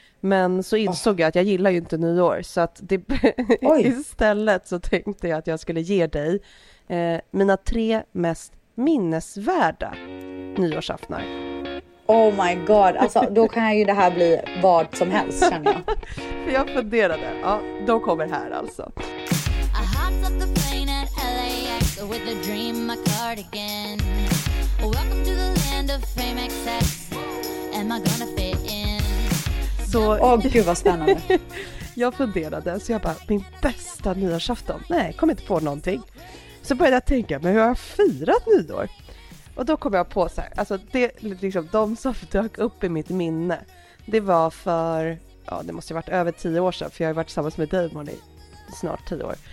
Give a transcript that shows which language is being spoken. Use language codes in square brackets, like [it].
[sv] Men så insåg jag att jag gillar ju inte nyår så att det, istället så tänkte jag att jag skulle ge dig mina 3 mest minnesvärda nyårsaftnar. [en] Oh my god, [sv] alltså då kan ju det här bli vad som helst, känner jag. För jag funderade, ja, de kommer här alltså. [en] I hopped up the plane at LAX with a dream, my cardigan. Welcome to the land of fame excess. Am I gonna fit in? [sv] Så, gud vad spännande. Jag funderade, så jag bara, min bästa nyårsafton. Nej, kom inte på någonting. Så började jag tänka, men hur har jag firat nyår? Och då kom jag på så här, alltså det, liksom, de som dök upp i mitt minne, det var för, ja det måste ha varit över 10 år sedan, för jag har varit tillsammans med Damon i snart 10 år.